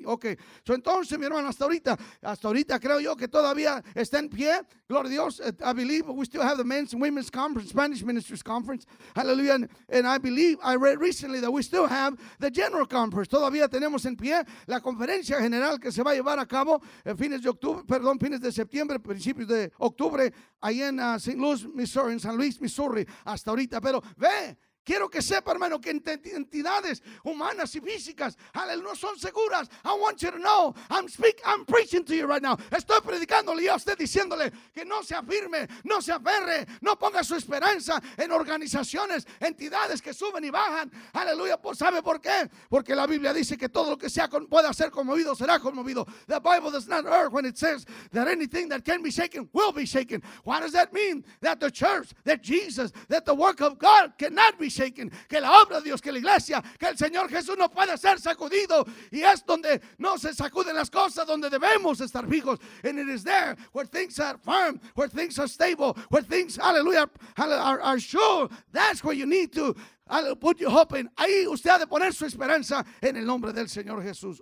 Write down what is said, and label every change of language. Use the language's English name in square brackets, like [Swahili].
[Spanish] Okay. So, entonces, mi hermano, hasta ahorita creo yo que todavía está en pie, Lord, Dios, [English] I believe we still have the men's and women's conference, Spanish ministries conference, [Spanish] aleluya, [English] and I believe, I read recently that we still have the general conference, [Spanish] todavía tenemos en pie la conferencia general que se va a llevar a cabo en fines de septiembre, principios de octubre, ahí en St. Louis, Missouri, en San Luis, Missouri, hasta ahorita, pero ve, quiero que sepa, hermano, que entidades humanas y físicas, aleluya, no son seguras. [English] I want you to know, I'm preaching to you right now. [Spanish] Estoy predicándole a usted, diciéndole que no se afirme, no se aferre, no ponga su esperanza en organizaciones, entidades que suben y bajan. Aleluya, pues, ¿sabe por qué? Porque la Biblia dice que todo lo que sea pueda ser conmovido, será conmovido. [English] The Bible does not err when it says that anything that can be shaken will be shaken. What does that mean? That the church, that Jesus, that the work of God cannot be shaken, [Spanish] que la obra de Dios, que la iglesia, que el Señor Jesús no puede ser sacudido, y es donde no se sacuden las cosas, donde debemos estar fijos. [English] And it is there where things are firm, where things are stable, where things, hallelujah, are sure. That's where you need to put your hope in. [Spanish] Ahí usted ha de poner su esperanza en el nombre del Señor Jesús.